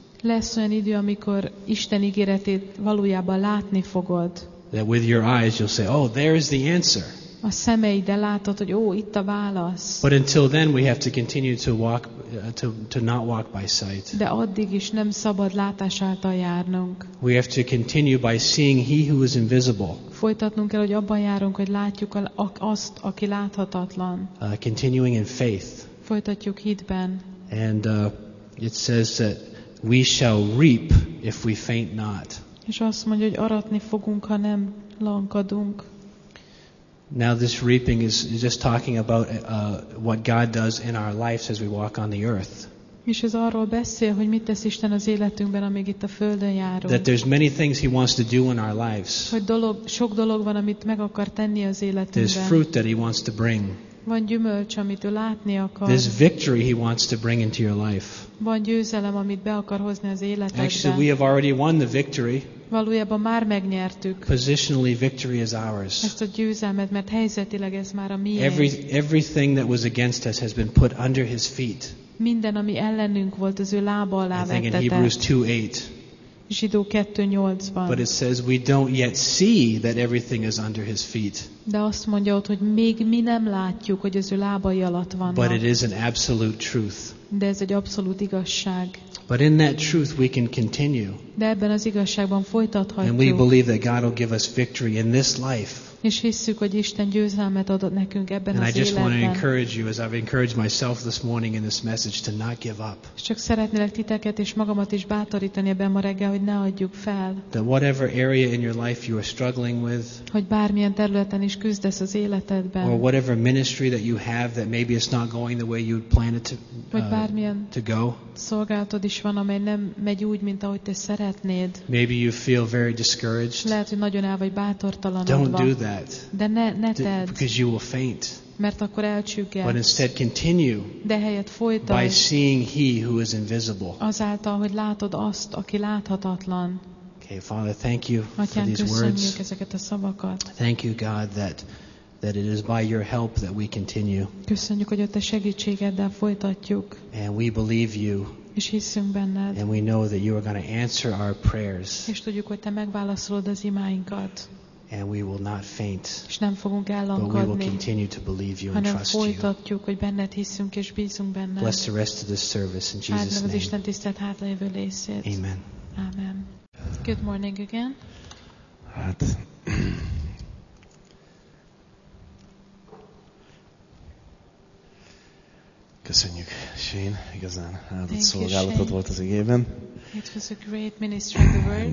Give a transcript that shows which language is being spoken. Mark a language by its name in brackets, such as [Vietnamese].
[Hungarian] Lesz olyan idő, amikor Isten ígéretét valójában látni fogod. [English] That with your eyes you'll say, oh, there is the answer. [Hungarian] A szemeiddel látod, hogy ó, itt a válasz. [English] But until then we have to continue to walk to not walk by sight. [Hungarian] De addig is nem szabad látás által járnunk. [English] We have to continue by seeing he who is invisible. [Hungarian] Folytatnunk kell, hogy abban járunk, hogy látjuk azt, aki láthatatlan. [English] Continuing in faith. [Hungarian] Folytatjuk hitben. [English] And it says that we shall reap if we faint not. [Hungarian] És azt mondja, hogy aratni fogunk, ha nem lankadunk. [English] Now this reaping is just talking about what God does in our lives as we walk on the earth. [Hungarian] És ez arról beszél, hogy mit tesz Isten az életünkben, amíg itt a földön járunk. [English] That there's many things he wants to do in our lives. [Hungarian] Hogy sok dolog van, amit meg akar tenni az életünkben. [English] There's fruit that he wants to bring. [Hungarian] Van gyümölcs, amit ő látni akar. [English] There's victory he wants to bring into your life. [Hungarian] Van győzelem, amit be akar hozni az életedbe. [English] Actually, we have already won the victory. [Hungarian] Valójában már megnyertük. [English] Positionally, victory is ours. [Hungarian] Ezt a győzelmet, mert helyzetileg ez már a miénk. [English] Everything that was against us has been put under his feet. [Hungarian] Minden, ami ellenünk volt, az ő lába alá vettetett. [English] I think in Hebrews 2:8. [Hungarian] Zsidó 2:8-ban. [English] But it says we don't yet see that everything is under his feet. [Hungarian] De azt mondja ott, hogy még mi nem látjuk, hogy az ő lábai alatt vannak. [English] But it is an absolute truth. [Hungarian] De ez egy abszolút igazság. [English] But in that truth we can continue. [Hungarian] De ebben az igazságban folytathatjuk. [English] And we believe that God will give us victory in this life. [Hungarian] És hisszük, hogy Isten győzelmet adott nekünk ebben [English] and [Hungarian] az [English] I just [Hungarian] életben. [English] Want to encourage you, as I've encouraged myself this morning in this message, to not give up. [Hungarian] Csak szeretnélek titeket és magamat is bátorítani ebben ma reggel, hogy ne adjuk fel. [English] That whatever area in your life you are struggling with. [Hungarian] Hogy bármilyen területen is küzdesz az életedben. [English] Or whatever ministry that you have that maybe it's not going the way you'd plan it to go. [Hungarian] Szolgálatod is van, amely nem megy úgy, mint ahogy te szeretnéd. [English] Maybe you feel very discouraged. [Hungarian] Lehet, hogy nagyon el vagy bátortalanodva. [English] Don't do that. [Hungarian] De ne tedd. [English] Because you will faint. [Hungarian] Mert akkor elcsüggedsz. [English] But instead continue. [Hungarian] De helyett folytasd. [English] By seeing He who is invisible. [Hungarian] Azáltal, hogy látod azt, aki láthatatlan. [English] Okay, Father, thank you [Hungarian] Atyán, [English] for these words. [Hungarian] Köszönjük ezeket a szavakat. [English] Thank you, God, that it is by your help that we continue. [Hungarian] Köszönjük, hogy a te segítségeddel folytatjuk. [English] And we believe you. [Hungarian] És hiszünk benned. [English] And we know that you are going to answer our prayers. [Hungarian] És tudjuk, hogy te megválaszolod az imáinkat. [English] And we will not faint. [Hungarian] És nem fogunk ellankadni. [English] But we will continue to believe you and trust you. [Hungarian] Hanem folytatjuk, hogy benned hiszünk és bízunk benned. [English] Bless the rest of this service in Jesus' name. [Hungarian] Áldjon az Isten tisztelt hátlévő részét. Amen. [English] Amen. Good morning again. [Hungarian] Hát... Köszönjük, Shane. Igazán áldott szolgálatod volt az igében. [English] It was a great ministry of the word.